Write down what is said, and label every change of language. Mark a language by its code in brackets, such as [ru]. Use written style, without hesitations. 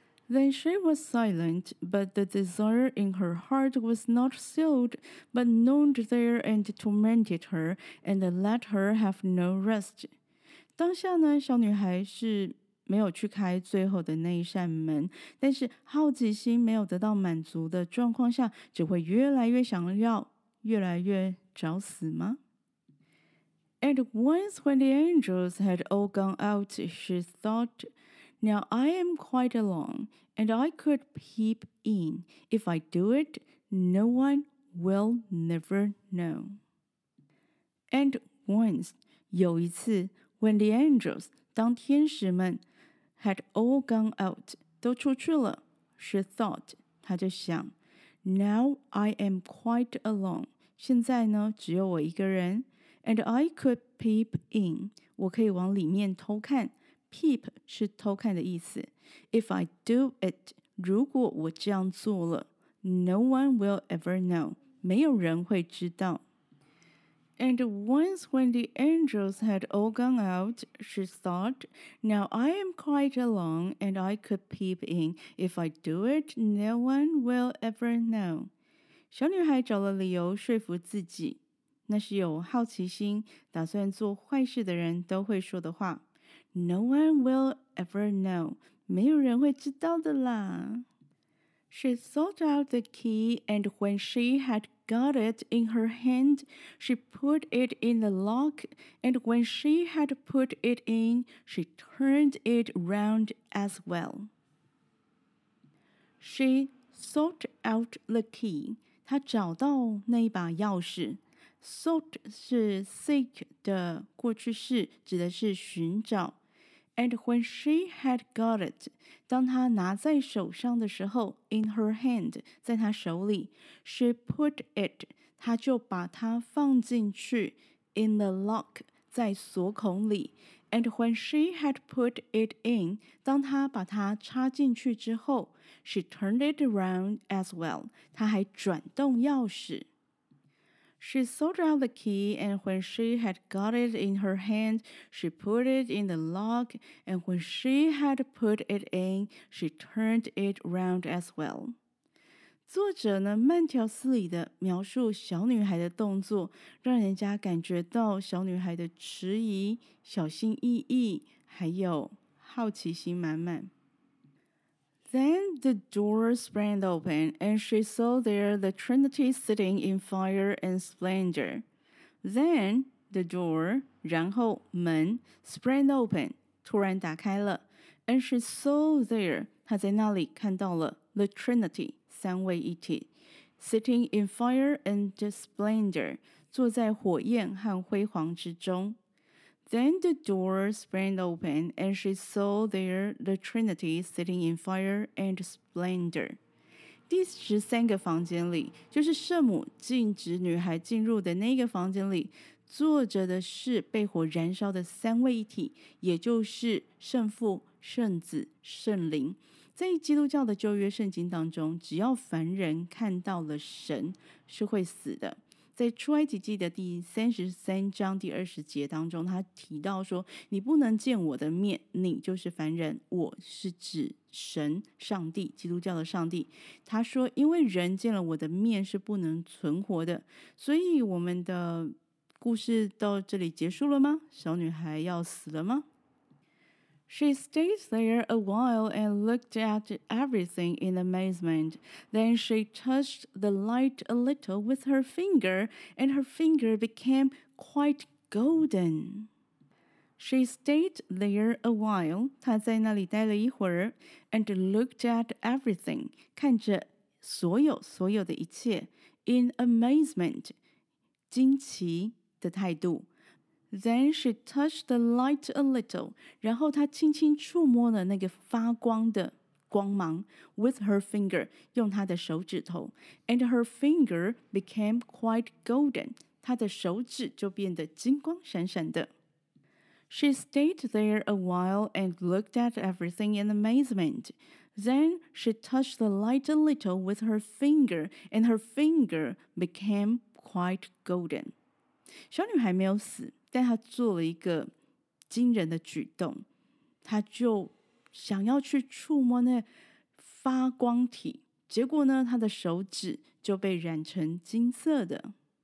[en] Then she was silent, but the desire in her heart was not stilled, but gnawed there and tormented her, and let her have no rest. [zh] 当下呢，小女孩是没有去开最后的那一扇门，但是好奇心没有得到满足的状况下，只会越来越想要，越来越找死吗？ [en] And once when the angels had all gone out, she thought, now I am quite alone, and I could peep in. If I do it, no one will never know. And once, [zh] 有一次 [en] when the angels, [zh] 当天使们 [en] had all gone out, [zh] 都出去了 [en] she thought, [zh] 她就想 [en] now I am quite alone, [zh] 现在呢只有我一个人 [en] and I could peep in, [zh] 我可以往里面偷看 [en] peep [zh] 是偷看的意思 [en] if I do it, [zh] 如果我这样做了 [en] no one will ever know, [zh] 没有人会知道 [en] And once when the angels had all gone out, she thought, now I am quite alone and I could peep in. If I do it, no one will ever know. [zh] 小女孩找了理由说服自己，那是有好奇心，打算做坏事的人都会说的话。 [en] No one will ever know. [zh] 没有人会知道的啦。 [en] She sought out the key, and when she had got it in her hand, she put it in the lock, and when she had put it in, she turned it round as well. She sought out the key. [zh] 她找到那一把钥匙。 Sought 是 seek 的过去式，指的是寻找。 [en] And when she had got it, [zh] 当她拿在手上的时候 [en] in her hand, [zh] 在她手里 [en] she put it, [zh] 她就把它放进去 [en] in the lock, [zh] 在锁孔里 [en] And when she had put it in, [zh] 当她把它插进去之后 [en] she turned it around as well, [zh] 她还转动钥匙 [en] She sought out the key, and when she had got it in her hand, she put it in the lock, and when she had put it in, she turned it round as well. [zh] 作者呢，慢条斯理地描述小女孩的动作，让人家感觉到小女孩的迟疑、小心翼翼，还有好奇心满满。 [en] Then the door sprang open, and she saw there the Trinity sitting in fire and splendor. Then the door, [zh] 然后门 [en] sprang open, [zh] 突然打开了 [en] and she saw there, [zh] 她在那里看到了 [en] the Trinity, [zh] 三位一体 [en] sitting in fire and splendor, [zh] 坐在火焰和辉煌之中。 [en] Then the door sprang open, and she saw there the Trinity sitting in fire and splendor. [zh] 第十三个房间里，就是圣母禁止女孩进入的那个房间里，坐着的是被火燃烧的三位一体，也就是圣父、圣子、圣灵。在基督教的旧约圣经当中，只要凡人看到了神，是会死的。在出埃及记的第33章第20节当中，他提到说，你不能见我的面，你就是凡人，我是指神，上帝，基督教的上帝。他说，因为人见了我的面是不能存活的。所以我们的故事到这里结束了吗？小女孩要死了吗？ [en] She stayed there a while and looked at everything in amazement. Then she touched the light a little with her finger, and her finger became quite golden. She stayed there a while, [zh] 她在那里待了一会儿, [en] and looked at everything, [zh] 看着所有的一切, [en] in amazement, [zh] 惊奇的态度。 [en] Then she touched the light a little. [zh] 然后她轻轻触摸了那个发光的光芒 [en] with her finger, [zh] 用她的手指头 [en] and her finger became quite golden. [zh] 她的手指就变得金光闪闪的。 [en] She stayed there a while and looked at everything in amazement. Then she touched the light a little with her finger, and her finger became quite golden. [zh] 小女孩没有死。但他做了一个惊人的举动，他就想要去触摸那发光体，结果呢，他的手指就被染成金色的。